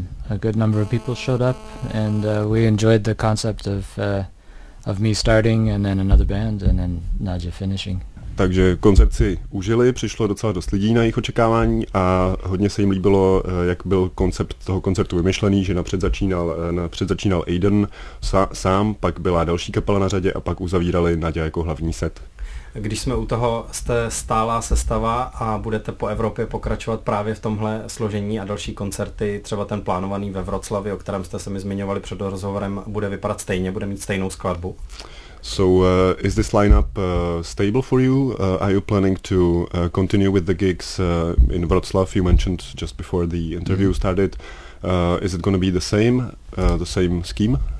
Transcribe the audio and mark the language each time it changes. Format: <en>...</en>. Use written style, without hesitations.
<en>A good number of people showed up and we enjoyed the concept of me starting and then another band and then Nadja finishing.</en> <cs>Takže koncert si užili, přišlo docela dost lidí na jejich očekávání a hodně se jim líbilo, jak byl koncept toho koncertu vymyšlený, že napřed začínal Aidan sám, pak byla další kapela na řadě a pak uzavírali Naďa jako hlavní set. Když jsme u toho, jste stálá sestava a budete po Evropě pokračovat právě v tomhle složení a další koncerty, třeba ten plánovaný ve Wroclawi, o kterém jste se mi zmiňovali před rozhovorem, bude vypadat stejně, bude mít stejnou skladbu?</cs> <en>So is this lineup stable for you? Are you planning to continue with the gigs in Wroclaw you mentioned just before the interview started? Is it going to be the same scheme?</en>